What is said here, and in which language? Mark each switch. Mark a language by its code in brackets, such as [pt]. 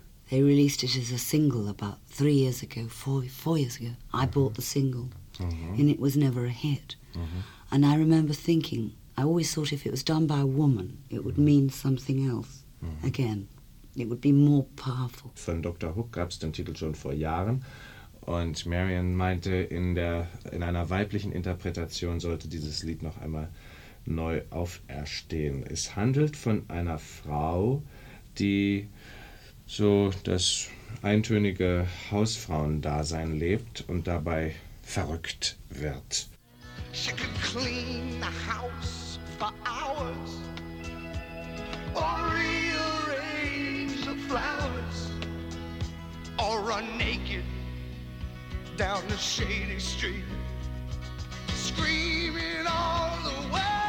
[en] They released it as a single about 3 years ago, four years ago. Mm-hmm. I bought the single, mm-hmm. and it was never a hit. Mm-hmm. And I remember thinking, I always thought if it was done by a woman, it would mm-hmm. mean something else mm-hmm. again. It would be more powerful. [de] Von Dr. Hook gab es den Titel schon vor Jahren. Und Marian meinte, in einer weiblichen Interpretation sollte dieses Lied noch einmal neu auferstehen. Es handelt von einer Frau, die so das eintönige Hausfrauendasein lebt und dabei verrückt wird. [en] She could clean the house for hours or rearrange the flowers or run naked down the shady street screaming all the way.